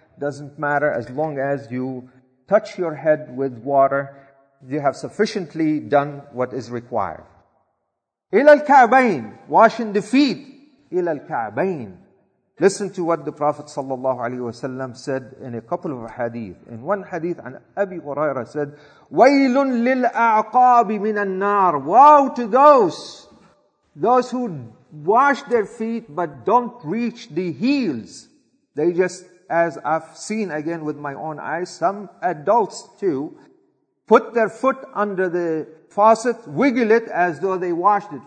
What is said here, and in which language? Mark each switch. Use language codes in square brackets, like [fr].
[en] Doesn't matter, as long as you touch your head with water, you have sufficiently done what is required. [ar] إِلَى الْكَعْبَيْنِ, [en] washing the feet. [ar] إِلَى الْكَعْبَيْنِ. [en] Listen to what the Prophet ﷺ said in a couple of hadith. In one hadith, [ar] عن أبي هريرة said, وَيْلٌ لِلْأَعْقَابِ مِنَ النَّارِ. [en] Woe to those who wash their feet but don't reach the heels. They just, as I've seen again with my own eyes, some adults too, put their foot under the faucet, wiggle it as though they washed it.